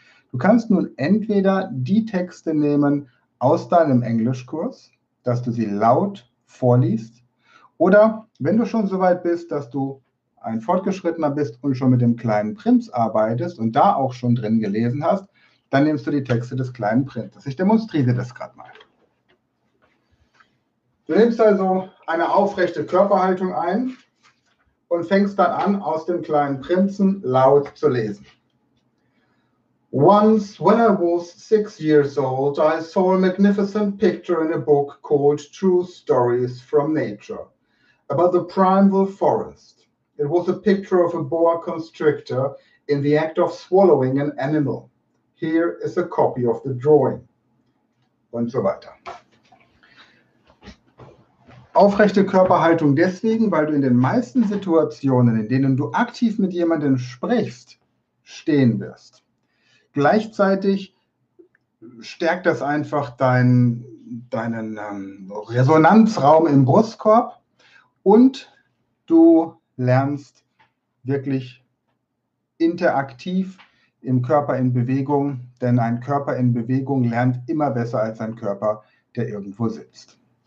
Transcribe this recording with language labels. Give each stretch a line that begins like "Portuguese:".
German: Du kannst nun entweder die Texte nehmen aus deinem Englischkurs, dass du sie laut vorliest, oder wenn du schon so weit bist, dass du ein Fortgeschrittener bist und schon mit dem kleinen Prinz arbeitest und da auch schon drin gelesen hast, dann nimmst du die Texte des kleinen Prinzes. Ich demonstriere das gerade mal. Du nimmst also eine aufrechte Körperhaltung ein und fängst dann an, aus dem kleinen Prinzen laut zu lesen.
English: Once, when I was 6 years old, I saw a magnificent picture in a book called True Stories from Nature about the primeval forest. It was a picture of a boa constrictor in the act of swallowing an animal. Here is a copy of the drawing.
German: Und so weiter. Aufrechte Körperhaltung deswegen, weil du in den meisten Situationen, in denen du aktiv mit jemandem sprichst, stehen wirst. Gleichzeitig stärkt das einfach deinen Resonanzraum im Brustkorb und du lernst wirklich interaktiv im Körper in Bewegung, denn ein Körper in Bewegung lernt immer besser als ein Körper, der irgendwo sitzt.